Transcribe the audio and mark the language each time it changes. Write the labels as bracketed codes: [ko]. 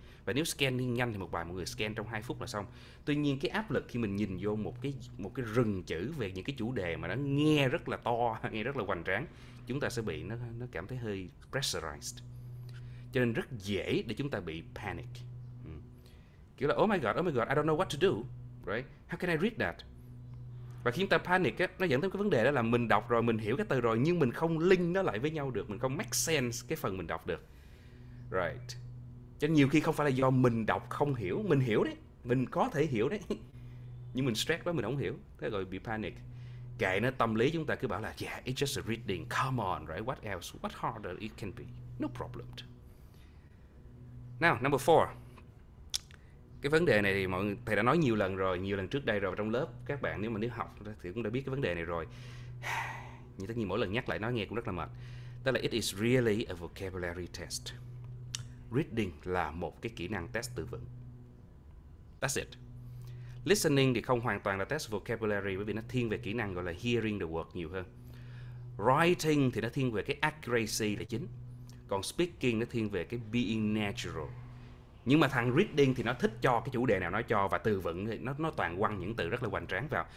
[vi] Và nếu scan đi nhanh thì một bài mọi người scan trong 2 phút là xong. Tuy nhiên cái áp lực khi mình nhìn vô một cái rừng chữ về những cái chủ đề mà nó nghe rất là to, nghe rất là hoành tráng, chúng ta sẽ bị nó cảm thấy hơi pressurized. Cho nên rất dễ để chúng ta bị panic. Kiểu là [en] oh my god, I don't know what to do. Right? How can I read that? [vi] Và khi chúng ta panic á, nó dẫn tới cái vấn đề đó là mình đọc rồi, mình hiểu cái từ rồi, nhưng mình không link nó lại với nhau được, mình không make sense cái phần mình đọc được. Right. Cho nên nhiều khi không phải là do mình đọc không hiểu, mình hiểu đấy, mình có thể hiểu đấy. Nhưng mình stress quá mình không hiểu, thế rồi bị panic. Kệ nó, tâm lý chúng ta cứ bảo là [en] yeah, it's just a reading, come on, right, what else, what harder it can be, no problem. Now, number four. [vi] Cái vấn đề này thì mọi người, thầy đã nói nhiều lần rồi, nhiều lần trước đây rồi trong lớp. Các bạn nếu mà nếu học thì cũng đã biết cái vấn đề này rồi. Nhưng tất nhiên mỗi lần nhắc lại nói nghe cũng rất là mệt. Đó là [en] it is really a vocabulary test. [vi] Reading là một cái kỹ năng test từ vựng. [en] That's it. [vi] Listening thì không hoàn toàn là test vocabulary bởi vì nó thiên về kỹ năng gọi là [en] hearing the word [vi] nhiều hơn. Writing thì nó thiên về cái accuracy là chính. Còn Speaking nó thiên về cái being natural. Nhưng mà thằng Reading thì nó thích cho cái chủ đề nào nó cho, và từ vựng nó toàn quăng những từ rất là hoành tráng vào.